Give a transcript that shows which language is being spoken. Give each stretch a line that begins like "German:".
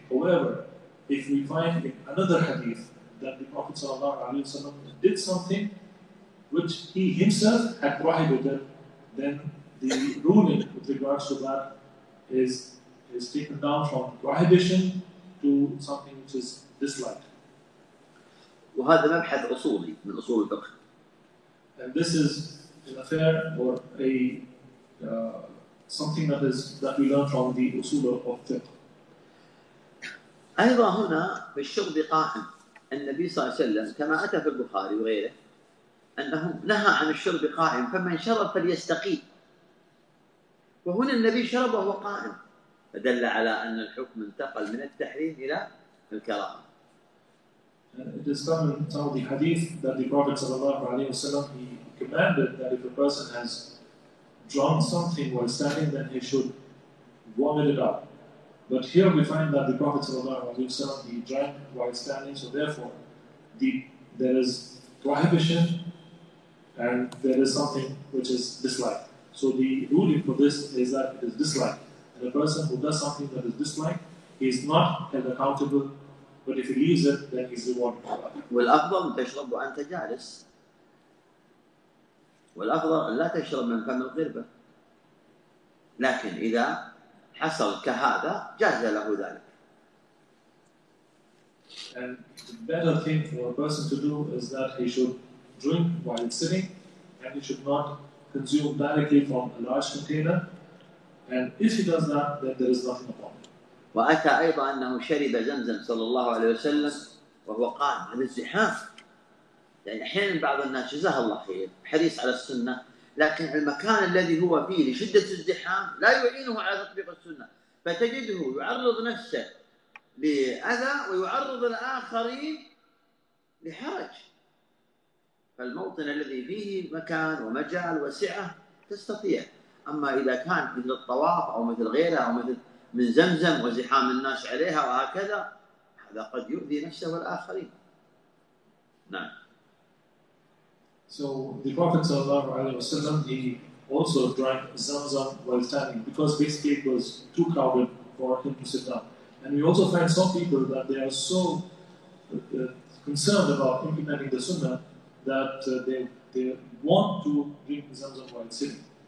English: However, if we find in another hadith that the Prophet ﷺ did something which he himself had prohibited, then the ruling with regards to that is taken down from prohibition to something which is disliked.
Arabic: وهذا مبحث أصولي من أصول الفقه.
English: And this is an affair or a something that is that we learn from the أصول of fiqh.
Arabic: أيضا هنا في الشغب قائم النبي صلى الله عليه وسلم كما أتى في البخاري وغيره أنه نهى عن الشرب قائم فمن شرب فليستقي وهنا النبي شربه قائم فدل على أن الحكم انتقل من التحريم إلى الكراهة.
English: It is common in some of the hadith that the Prophet
Arabic: صلى الله عليه وسلم
English: he commanded that if a person has drawn something while standing then he should vomit it up. But here we find that the Prophet
Arabic: صلى الله عليه وسلم
English: he drank while standing, so therefore there is prohibition and there is something which is disliked. So the ruling for this is that it is disliked. And a person who does something that is disliked, he is not held accountable, but if he leaves it, then he is rewarded for that.
Arabic: وَالْأَفْضَلُ أَنْ تَشْرَبُ وَأَنْتَ جَالِسٌ وَالْأَفْضَلُ أَنْ لَا تَشْرَبُ مِنْ فَمِ الْغِرْبَةِ لكن إذا حصل كهذا جاز له ذلك.
English: And the better thing for a person to do is that he should drink while sitting, and he should not consume directly from a large container. And if he does that, then there is nothing upon him.
Arabic: وأتى أيضا أنه شرب زمزم صلى الله عليه وسلم وهو قائم على الزحام. يعني أحيانا بعض الناس جزاه الله خير حريص على السنة لكن المكان الذي هو فيه لشدة الزحام لا يعينه على تطبيق السنة فتجده يعرض نفسه لأذى ويعرض الآخرين لحرج. فالموطن الذي فيه مكان ومجال وسعة تستطيع أما إذا كان مثل الطواف أو مثل غيرها أو مثل من زمزم وزحام الناس عليها وهكذا هذا قد يؤذي نفسه والآخرين. نعم.
English: So the Prophet sallallahu alaihi wasallam he also drank zamzam while standing because basically it was too crowded for him to sit down. And we also find some people that they are so concerned about implementing the sunnah that they want to drink zamzam while sitting.